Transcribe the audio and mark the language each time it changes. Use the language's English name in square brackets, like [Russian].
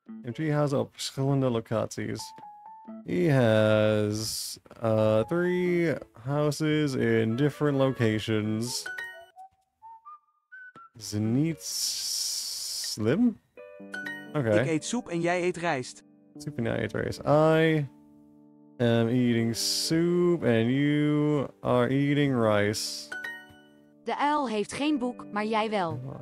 [Dutch] Hij heeft 3 huizen op verschillende locaties. [English] He has 3 houses in different locations. [Dutch] Zenit Slim? Oké. Ik eet soep en jij eet rijst. Soep en jij eet rijst. [English] I'm eating soup and you are eating rice. [Dutch] De uil heeft geen boek, maar jij wel.